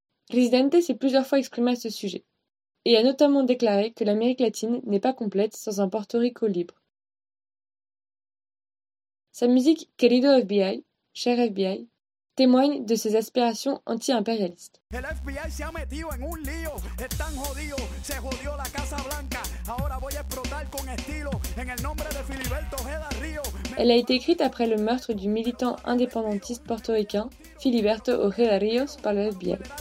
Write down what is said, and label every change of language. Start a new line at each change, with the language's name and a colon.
French: Residente s'est plusieurs fois exprimé à ce sujet et a notamment déclaré que l'Amérique latine n'est pas complète sans un Porto Rico libre. Sa musique « Querido FBI »,« Cher FBI », témoigne de ses aspirations anti-impérialistes.
Spanish: El FBI se ha metido en un lío, están jodidos, se jodió la Casa Blanca, ahora voy a explotar con estilo, en el nombre de Filiberto Ojeda Río.
French: Elle a été écrite après le meurtre du militant indépendantiste portoricain Filiberto Ojeda Ríos par le FBI.